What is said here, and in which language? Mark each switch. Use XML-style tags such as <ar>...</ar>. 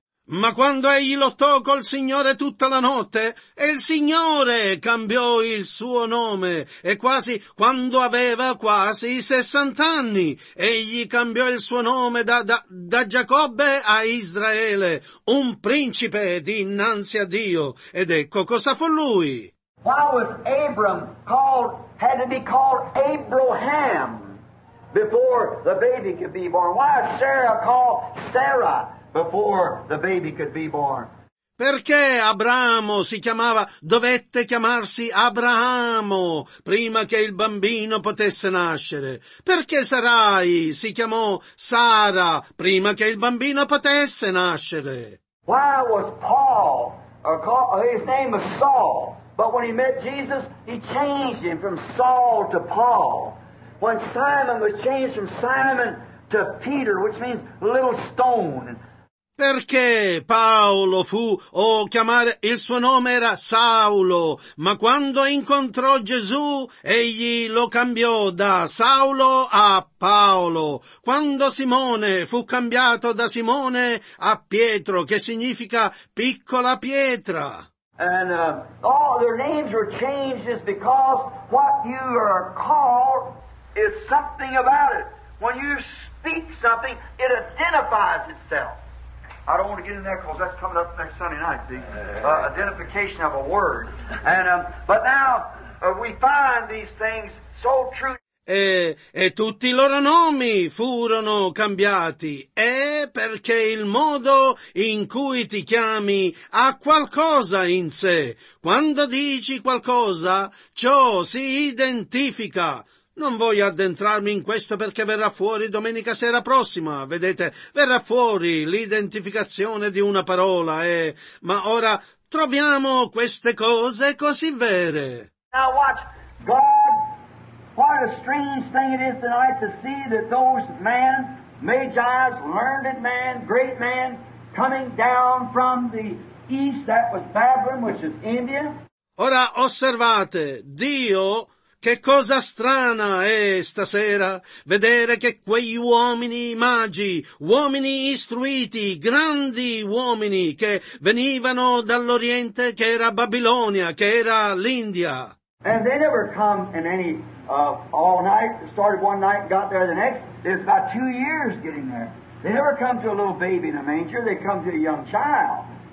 <it>Ma quando egli lottò col Signore tutta la notte, e il Signore cambiò il suo nome, e quasi, quando aveva quasi 60 anni, egli cambiò il suo nome da Giacobbe a Israele, un principe dinanzi a Dio. Ed ecco cosa fu lui.</it> <en>Why was Abram called, had to be called Abraham before the baby could be born? Why is Sarah called Sarah before the baby could be born?</en> <it>Perché Abramo si chiamava, dovette chiamarsi Abramo prima che il bambino potesse nascere? Perché Sarai si chiamò Sara prima che il bambino potesse nascere?</it> <en>Why was Paul, or his name was Saul, but when he met Jesus, he changed him from Saul to Paul. When Simon was changed from Simon to Peter, which means little stone.</en> <it>Perché Paolo fu, o chiamare, il suo nome era Saulo, ma quando incontrò Gesù, egli lo cambiò da Saulo a Paolo. Quando Simone fu cambiato da Simone a Pietro, che significa piccola pietra.</it> <en>And their names were changed just because what you are called is something about it. When you speak something, it identifies itself. I don't want to get in there because that's coming up next Sunday night, the identification of a word. But now we find these things so true.</en> <it>E tutti i loro nomi furono cambiati, e perché il modo in cui ti chiami ha qualcosa in sé. Quando dici qualcosa, ciò si identifica. Non voglio addentrarmi in questo perché verrà fuori domenica sera prossima, vedete, verrà fuori l'identificazione di una parola, ma ora troviamo queste cose così vere.</it> <en>Now watch, God. What a strange thing it is tonight to see that those men, magi, learned man, great man, coming down from the east, that was Babylon, which is India.</en> <it>Ora osservate, Dio, che cosa strana è stasera vedere che quegli uomini magi, uomini istruiti, grandi uomini che venivano dall'Oriente, che era Babilonia, che era l'India.</it> <en>And they never come in any all night, started one night and got there the next. It's about 2 years getting there. They never come to a little baby in a manger, they come to a young child.</en>